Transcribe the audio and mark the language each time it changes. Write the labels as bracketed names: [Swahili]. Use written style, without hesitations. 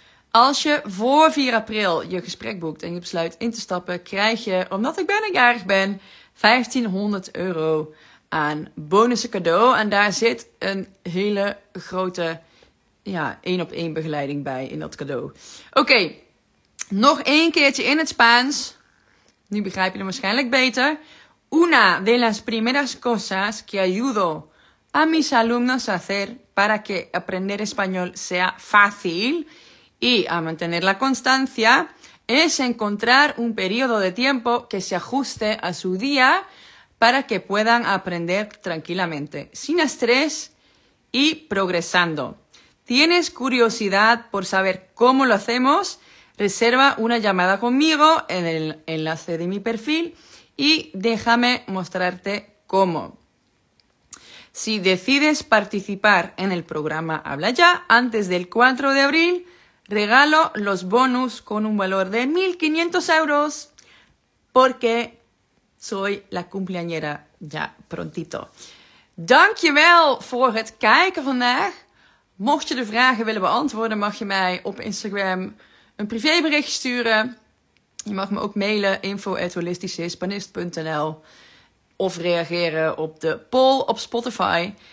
[Dutch] Als je voor 4 april je gesprek boekt en je besluit in te stappen, krijg je, omdat ik bijna jarig ben, 1500 euro aan bonussen cadeau. En daar zit een hele grote, ja, 1-op-1 begeleiding bij in dat cadeau. Oké, nog één keertje in het Spaans. Nu begrijp je het waarschijnlijk beter. [Spanish] Una de las primeras cosas que ayudo a mis alumnos a hacer para que aprender español sea fácil y a mantener la constancia es encontrar un periodo de tiempo que se ajuste a su día para que puedan aprender tranquilamente, sin estrés y progresando. ¿Tienes curiosidad por saber cómo lo hacemos? Reserva una llamada conmigo en el enlace de mi perfil y déjame mostrarte cómo. Si decides participar en el programa Habla Ya antes del 4 de abril, regalo los bonus con un valor de 1.500 euros porque soy la cumpleañera ya prontito. [Dutch] Dankjewel voor het kijken vandaag. Mocht je de vragen willen beantwoorden, mag je mij op Instagram een privébericht sturen. Je mag me ook mailen info@holistischehispanist.nl of reageren op de poll op Spotify.